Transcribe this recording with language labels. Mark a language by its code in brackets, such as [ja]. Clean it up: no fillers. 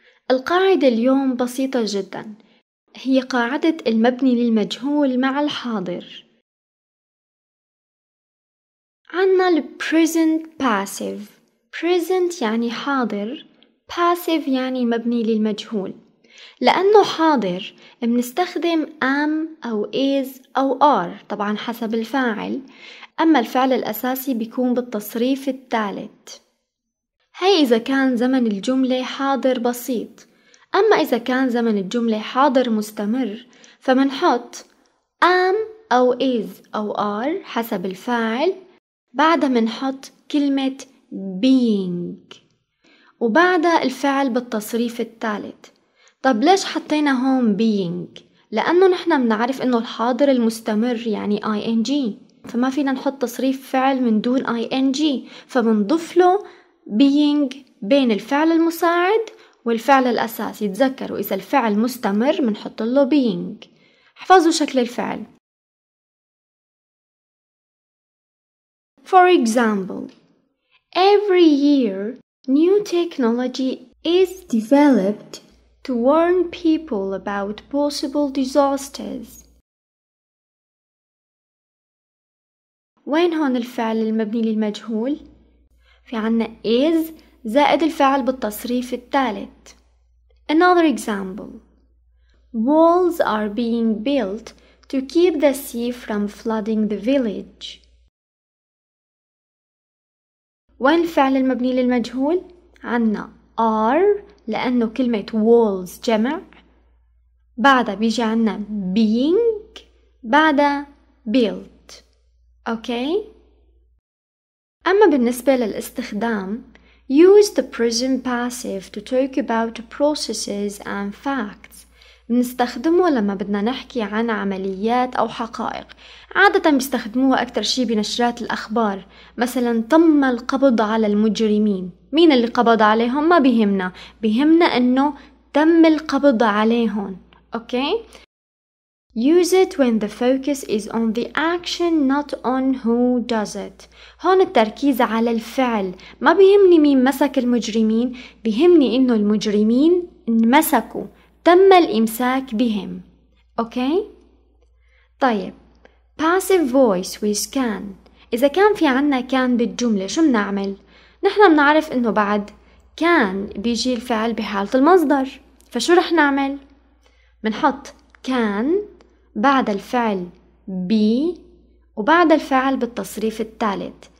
[ar] القاعدة اليوم بسيطة جدا. هي قاعدة المبني للمجهول مع الحاضر. عنا الـ present passive. present يعني حاضر، passive يعني مبني للمجهول. لأنه حاضر بنستخدم am أو is أو are طبعا حسب الفاعل، أما الفعل الأساسي بيكون بالتصريف الثالث. هاي إذا كان زمن الجملة حاضر بسيط، أما إذا كان زمن الجملة حاضر مستمر فمنحط am أو is أو are حسب الفاعل، بعدها منحط كلمة being وبعدها الفعل بالتصريف الثالث. طب ليش حطينا هون being؟ لأنه نحن منعرف إنه الحاضر المستمر يعني ing، فما فينا نحط تصريف فعل من دون ing، فمنضف له being بين الفعل المساعد والفعل الأساسي. تذكروا إذا الفعل مستمر منحط له being. حفظوا شكل الفعل. [en] For example, every year new technology is developed to warn people about possible disasters. [ar] وين هون الفعل المبني للمجهول؟ في عنا is زائد الفعل بالتصريف الثالث. [en] Another example, walls are being built to keep the sea from flooding the village. [ar] وين الفعل المبني للمجهول؟ عنا are لأنه كلمة walls جمع، بعدها بيجي عنا being، بعدها built. أوكي؟ أما بالنسبة للاستخدام، [en] use the present passive to talk about processes and facts. [ar] بنستخدمه لما بدنا نحكي عن عمليات أو حقائق. عادة بيستخدموه أكثر شيء بنشرات الأخبار، مثلا تم القبض على المجرمين. مين اللي قبض عليهم؟ ما بهمنا، بهمنا أنه تم القبض عليهم. [en] Okay. Use it when the focus is on the action not on who does it. [ar] هون التركيز على الفعل، ما بهمني مين مسك المجرمين، بهمني أنه المجرمين انمسكوا، تم الإمساك بهم. أوكي؟ طيب [en] passive voice with can. [ar] إذا كان في عنا كان بالجملة شو بنعمل؟ نحن بنعرف إنه بعد كان بيجي الفعل بحالة المصدر، فشو رح نعمل؟ بنحط كان بعد الفعل be وبعد الفعل بالتصريف الثالث.